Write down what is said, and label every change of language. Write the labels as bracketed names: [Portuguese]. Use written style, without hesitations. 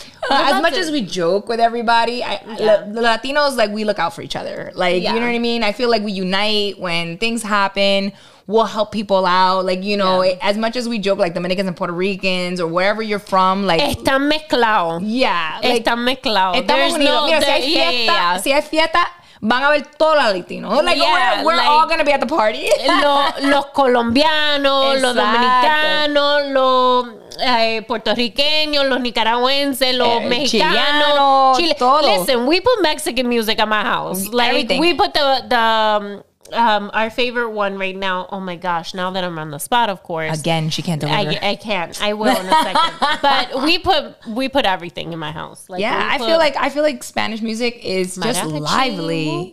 [English] as much as we joke with everybody, the Latinos, like, we look out for each other. Like, you know what I mean? I feel like we unite when things happen. We'll help people out. Like, you know, as much as we joke, like Dominicans and Puerto Ricans or wherever you're from, like. [Spanish] Están mezclado. [English] Yeah. [Spanish] Like, están mezclado. [English] There's no. [Spanish] Si hay fiesta, van a ver todos los latinos. [English] Like, we're all going to be at the party. [Spanish] Los colombianos, los dominicanos, los. Puertorriqueños, los nicaragüenses, los mexicanos, Chile. Todos. [English] Listen, we put Mexican music at my house. Like, everything. We put the our favorite one right now. Oh my gosh, now that I'm on the spot, of course. Again, she can't deliver. I can't. I will in a second. But we put everything in my house. Like, yeah, I feel like Spanish music is just lively.